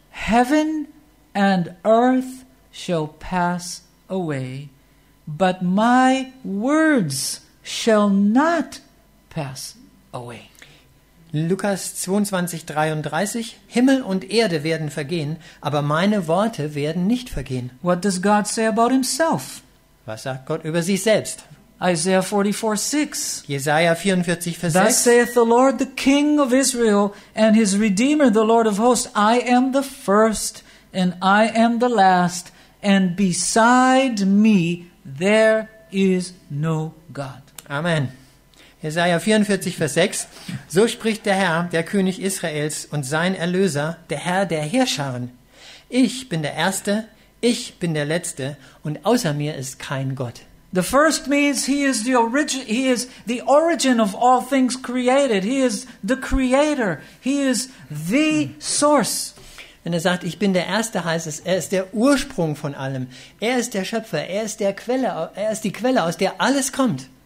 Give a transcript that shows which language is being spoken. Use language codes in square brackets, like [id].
[en] Heaven and earth shall pass away, but my words shall not pass away. [de] Lukas 22:33, Himmel und Erde werden vergehen, aber meine Worte werden nicht vergehen. [en] What does God say about himself? [de] Was sagt Gott über sich selbst? [en] Isaiah 44:6. [de] Jesaja 44:6. [en] Thus saith the Lord, the King of Israel, and his Redeemer, the Lord of hosts, I am the first, and I am the last, and beside me there is no God. [de] Amen. Jesaja 44:6. So spricht der Herr, der König Israels und sein Erlöser, der Herr der Heerscharen. Ich bin der Erste, ich bin der Letzte und außer mir ist kein Gott. [en] The first means he is the origin of all things created. He is the creator. He is the source. [de] Wenn er sagt, ich bin der Erste, heißt es, er ist der Ursprung von allem. Er ist der Schöpfer, er ist der Quelle, er ist die Quelle, aus der alles kommt.